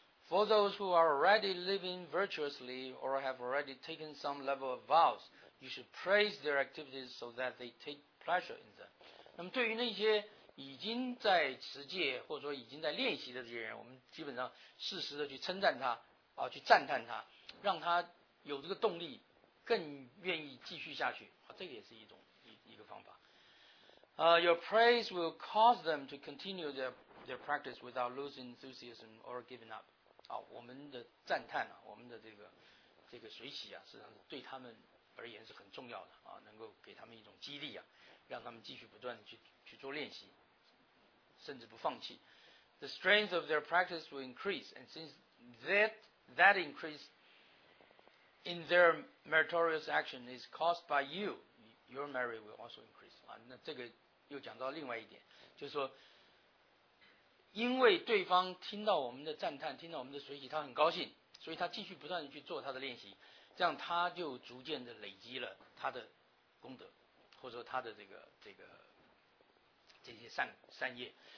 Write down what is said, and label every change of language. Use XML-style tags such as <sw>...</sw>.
<en>For those who are already living virtuously or have already taken some level of vows. You should praise their activities so that they take pleasure in them.</en> <zh>那么对于那些已经在持戒或者说已经在练习的这些人，我们基本上适时的去称赞他啊，去赞叹他，让他有这个动力更愿意继续下去啊，这个也是一个方法。</zh> <en>Your praise will cause them to continue their practice without losing enthusiasm or giving up.</en> <zh>啊，我们的赞叹啊，我们的这个随喜啊，实际上是对他们而言是很重要的啊，能够给他们一种激励啊，让他们继续不断地去做练习。甚至不放弃。</zh> <en>The strength of their practice will increase, and since that increase in their meritorious action is caused by you, your merit will also increase.</en> <zh>啊，那这个又讲到另外一点，就是说，因为对方听到我们的赞叹，听到我们的随喜，他很高兴，所以他继续不断地去做他的练习，这样他就逐渐地累积了他的功德，或者说他的这些善业。</zh>